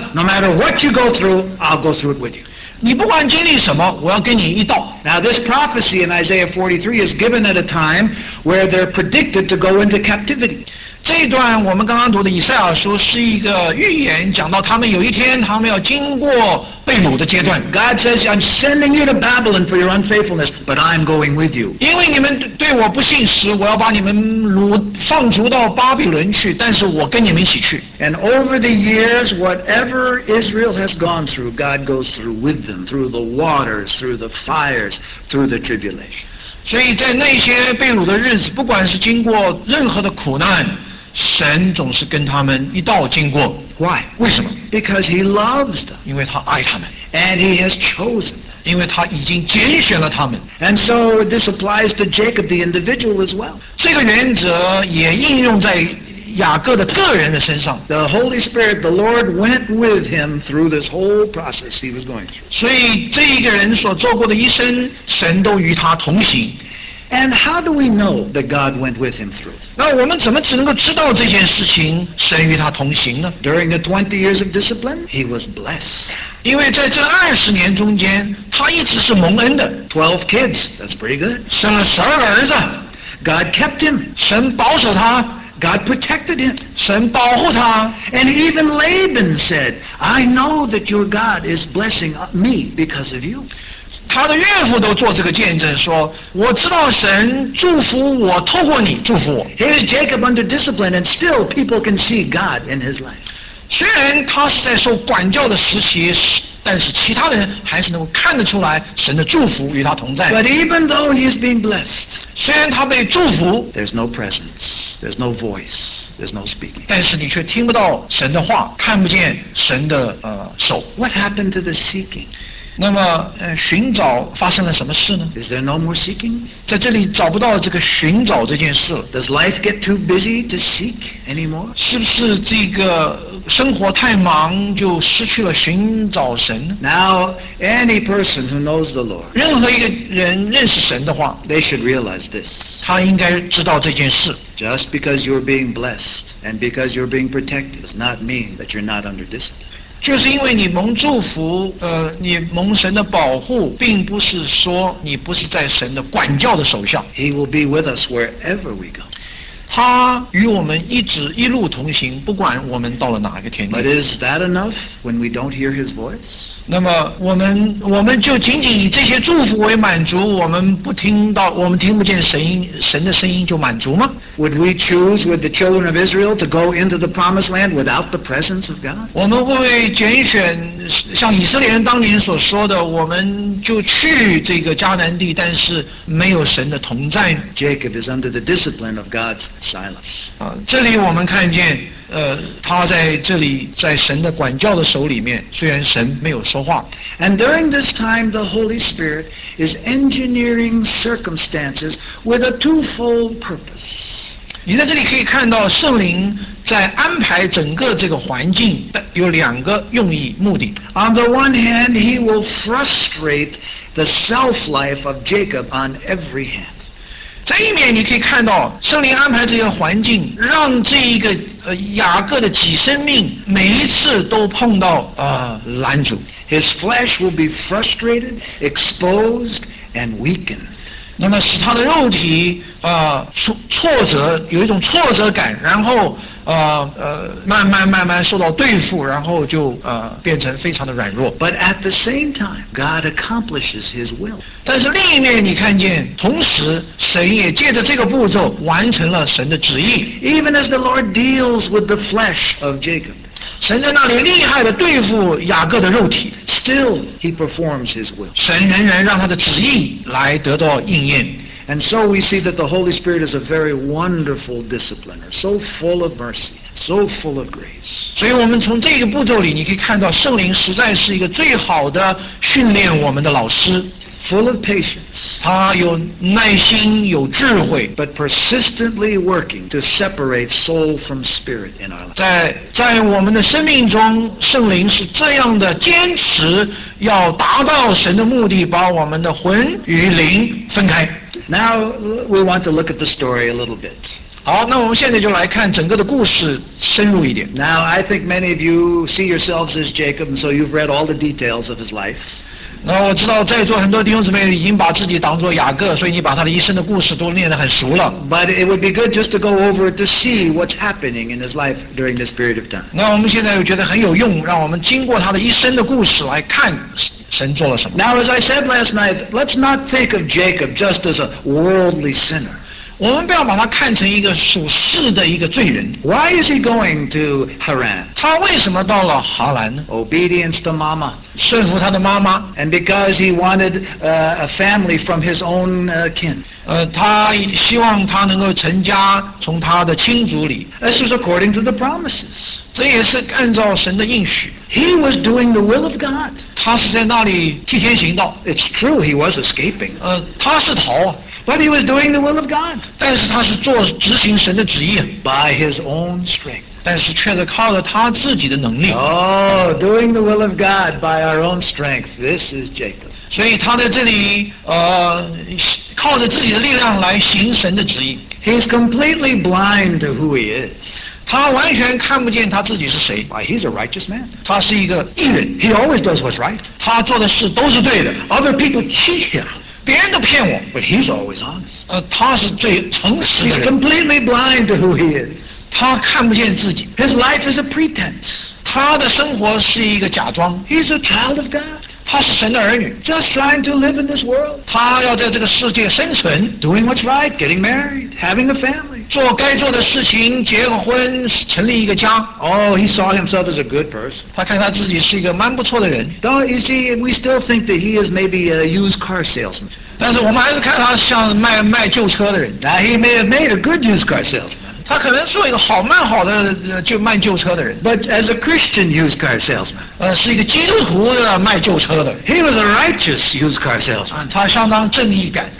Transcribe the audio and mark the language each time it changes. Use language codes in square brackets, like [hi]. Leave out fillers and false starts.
[en] No matter what you go through, I'll go through it with you. [zh] 你不管经历什么，我要跟你一道。 [en] Now this prophecy in Isaiah 43 is given at a time where they're predicted to go into captivity. [zh] 这一段我们刚刚读的以赛亚书是一个预言，讲到他们有一天他们要经过被掳的阶段。 [en] God says, I'm sending you to Babylon for your unfaithfulness, but I'm going with you. [zh] 因为你们对我不信实，我要把你们放逐到巴比伦去，但是我跟你们一起去。 [en] And over the years, whatever Israel has gone through, God goes through with them, through the waters, through the fires, through the tribulation. [zh] 所以在那些被掳的日子，不管是经过任何的苦难，神总是跟他们一道经过。 [en] Why? [zh] 为什么？ [en] Because he loves them. [zh] 因为他爱他们。 [en] And he has chosen them. [zh] 因为他已经拣选了他们。 [en] And so this applies to Jacob the individual as well. [zh] 这个原则也应用在雅各的个人的身上。 [en] The Holy Spirit, the Lord went with him through this whole process he was going through. [zh] 所以这一个人所做过的一生，神都与他同行。 [en] And how do we know that God went with him through? [zh] 那我们怎么只能够知道这件事情，神与他同行呢？ [en] During the 20 years of discipline, he was blessed. [zh] 因为在这20年中间，他一直是蒙恩的。 [en] 12 kids, that's pretty good. [zh] 生了12个儿子。 [en] God kept him. [zh] 神保守他。 [en] God protected him. [zh] 神保护他。 [en] And even Laban said, I know that your God is blessing me because of you. [zh] 他的岳父都做这个见证说，我知道神祝福我，透过你祝福我。 [en] Here's Jacob under discipline, and still people can see God in his life. [zh] 虽然他是在受管教的时期，但是其他人还是能够看得出来神的祝福与他同在。 [en] But even though he's being blessed, [zh] 虽然他被祝福， [en] there's no presence, there's no voice, there's no speaking. [zh] 但是你却听不到神的话，看不见神的手。 [en] What happened to the seeking? [zh] 那么寻找发生了什么事呢？ [en] Is there no more seeking? [zh] 在这里找不到这个寻找这件事了。 [en] Does life get too busy to seek anymore? [zh] 是不是这个生活太忙就失去了寻找神？ [en] Now, any person who knows the Lord, [zh] 任何一个人认识神的话， [en] they should realize this. [zh] 他应该知道这件事。 [en] Just because you're being blessed and because you're being protected does not mean that you're not under discipline. [zh] 就是因为你蒙祝福，你蒙神的保护，并不是说你不是在神的管教的手下。 [en] He will be with us wherever we go. [zh] 他与我们一直一路同行，不管我们到了哪个天地。 [en] But is that enough when we don't hear His voice? [zh] 那么我们就仅仅以这些祝福为满足，我们听不见神的声音就满足吗？ [en] Would we choose with the children of Israel to go into the promised land without the presence of God? [zh] 我们会拣选像以色列人当年所说的，我们就去这个迦南地，但是没有神的同在。 [en] Jacob is under the discipline of God's silence. [zh] 啊，这里我们看见，他在这里在神的管教的手里面，虽然神没有说话。 [en] And during this time, the Holy Spirit is engineering circumstances with a twofold purpose. [zh] 你在这里可以看到圣灵在安排整个这个环境有两个用意目的。 [en] On the one hand, he will frustrate the self-life of Jacob on every hand. [zh] 在一面你可以看到圣灵安排这些环境让这一个雅各的己生命每一次都碰到拦阻。 [en] His flesh will be frustrated, exposed, and weakened. [zh] 那么使他的肉体挫折有一种挫折感然后慢慢受到对付然后就变成非常的软弱。 [en] But at the same time, God accomplishes his will. [zh] 但是另一面你看见同时神也借着这个步骤完成了神的旨意。 [en] Even as the Lord deals with the flesh of Jacob, [zh] 神在那里厉害地对付雅各的肉体。 [en] Still, he performs his will. [zh] 神仍然让他的旨意来得到应验。 [en] And so we see that the Holy Spirit is a very wonderful discipliner, so full of mercy, so full of grace. [zh] 所以我们从这个步骤里你可以看到圣灵实在是一个最好的训练我们的老师。 [en] Full of patience. [zh] 他有耐心有智慧。 [en] But persistently working to separate soul from spirit in our life. [zh] 在我们的生命中圣灵是这样的坚持要达到神的目的把我们的魂与灵分开。 [en] Now we want to look at the story a little bit. [zh] 好，那我们现在就来看整个的故事深入一点。 [en] Now I think many of you see yourselves as Jacob, and so you've read all the details of his life. [zh] 那我知道在座很多弟兄姊妹已经把自己当作雅各，所以你把他的一生的故事都念得很熟了。 [en] But it would be good just to go over to see what's happening in his life during this period of time. [zh] 那我们现在又觉得很有用，让我们经过他的一生的故事来看。 [en] Now, as I said last night, let's not think of Jacob just as a worldly sinner. [zh] 我们不要把他看成一个属世的一个罪人。 [en] Why is he going to Haran? [zh] 他为什么到了哈兰? [en] Obedience to mama. [zh] 顺服他的妈妈。 [en] And because he wanted a family from his own kin. [zh] 他希望他能够成家从他的亲族里。 [en] This is according to the promises. [zh] 这也是按照神的应许。 [en] He was doing the will of God. [zh] 他是在那里替天行道。 [en] It's true, he was escaping. [zh] 他是逃。 [en] But he was doing the will of God. [zh] 但是他是做执行神的旨意。 [en] By his own strength. [zh] 但是却是靠着他自己的能力。 [en] Oh, doing the will of God by our own strength. This is Jacob. [zh] 所以他在这里靠着自己的力量来行神的旨意。 [en] He's completely blind to who he is. [zh] 他完全看不见他自己是谁。 [en] Why, he's a righteous man. [zh] 他是一个义人。 [en] He always does what's right. [zh] 他做的事都是对的。 [en] Other people cheat him. [zh] 别人都骗我。 [en] But he's always honest. [zh] 他是最诚实的人。 [en] He's completely blind to who he is. [zh] 他看不见自己。 [en] His life is a pretense. [zh] 他的生活是一个假装。 [en] He's a child of God. [zh] 他是神的儿女。 [en] Just trying to live in this world. [zh] 他要在这个世界生存。 [en] Doing what's right, getting married, having a family. [zh] 做该做的事情结个婚成立一个家 [en] Oh, he saw himself as a good person [zh] 他看他自己是一个蛮不错的人 [en] Though, you see, we still think that he is maybe a used car salesman [zh] 但是我们还是看他像卖旧车的人 [en] Now, he may have made a good used car salesman [zh] 他可能做一个好卖好的就卖旧车的人 [en] But as a Christian used car salesman [zh] 是一个基督徒的卖旧车的 [en] He was a righteous used car salesman [zh] 他相当正义感